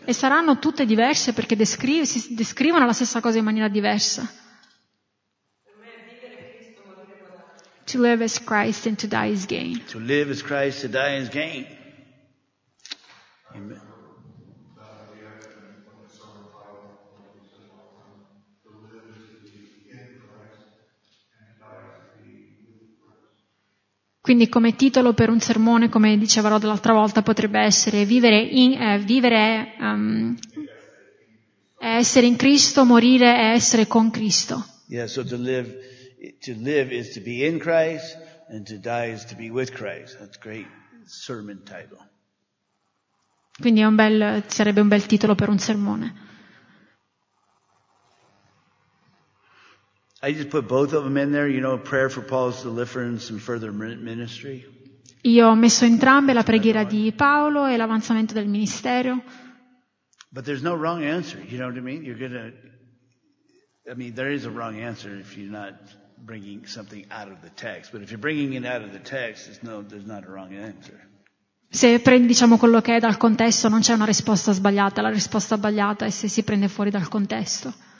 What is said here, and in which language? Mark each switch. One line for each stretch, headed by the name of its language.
Italian: E saranno tutte diverse perché descrivono la stessa cosa in maniera diversa.
English: To live as Christ and to die is gain. To live as Christ, to die is gain. Amen.
Italian: Quindi come titolo per un sermone, come diceva Rod l'altra volta, potrebbe essere vivere in, vivere essere in Cristo, morire è essere con Cristo.
English: Yeah, so to live is to be in Christ and to die is to be with Christ. That's a great sermon title.
Italian: Quindi sarebbe un bel titolo per un sermone.
English: I just put both of them in there, you know, a prayer for Paul's deliverance and further ministry.
Italian: Io ho messo entrambe, la preghiera di Paolo e l'avanzamento del ministero.
English: But there's no wrong answer, you know what I mean? There is a wrong answer if you're not bringing something out of the text. But if you're bringing it out of the text, there's not a wrong answer.
Italian: Se prendi, diciamo, quello che è dal contesto, non c'è una risposta sbagliata. La risposta sbagliata è se si prende fuori dal contesto.